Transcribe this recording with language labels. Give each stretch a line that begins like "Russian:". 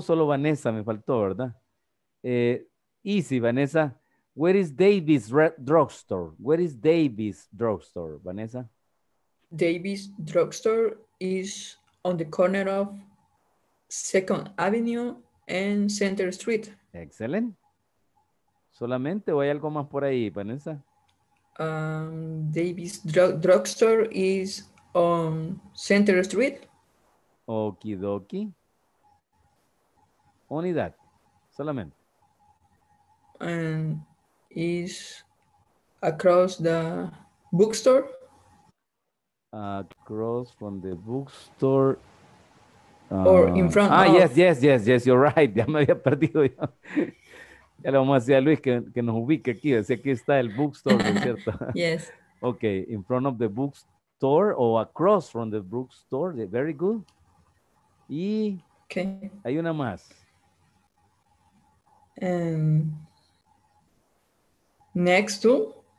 Spanish: Solo Vanessa me faltó, ¿verdad? Easy, Vanessa.
English: Where is Davis Drugstore? Where is Davis Drugstore, Vanessa? Davis Drugstore is on the corner of Second Avenue and Center Street. Excellent.
Spanish: ¿Solamente o hay algo más por ahí, Vanessa?
English: Davis Drugstore is on Center Street. Okie dokie. Only that. Solamente. And is across the bookstore. Across from the bookstore. Or in front of. Yes, you're right.
Spanish: Ya me había perdido yo. Ya le vamos a decir a Luis que nos ubique aquí. Así aquí está el bookstore, ¿no es cierto?
English: Yes. Okay, in front of the bookstore or across from the bookstore. Very good. Y okay.
Spanish: Hay una más.
English: Next to